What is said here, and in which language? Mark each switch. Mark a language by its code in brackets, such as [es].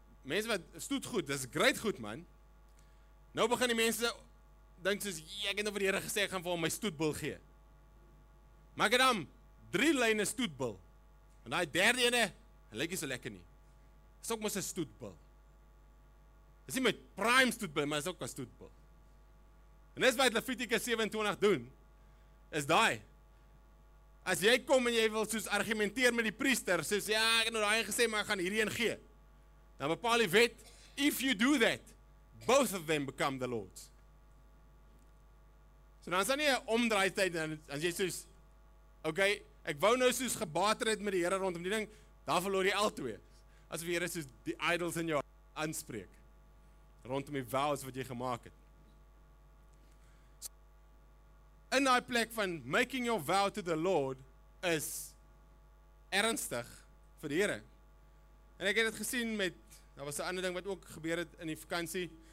[af] Mense wat stoet goed, dis great goed man. Nou begin die mense dink soos ek het nou vir die Here gesê ek gaan vir hom my stoetbul gee. Maak dan 3 lyne stoetbul. En daai derde ene, hy lyk nie so lekker nie. Dis ook mos 'n stoetbul. Dis nie my prime stoetbul, maar dis ook 'n stoetbul. En dis wat Levitikus 27 doen is daai. As jy kom en jy wil soos argumenteer met die priester, soos ja, ek het nou daai gesê maar ek gaan hierdie een gee. Dan bepaal die wet, [en] if you do that, both of them become the Lord's. [af] So dan is dan nie een omdraai tyd, dan is jy soos, okay, ek wou nou soos gebater het met die Here rondom die ding, daar verloor jy al twee. As die Here soos die idols in jou aanspreek, rondom die vows wat jy gemaak het. So, in die plek van [en] making your vow to the Lord, [af] is ernstig vir die Here. En ek het dit gesien met, daar was 'n ander ding wat ook gebeur het in die vakansie.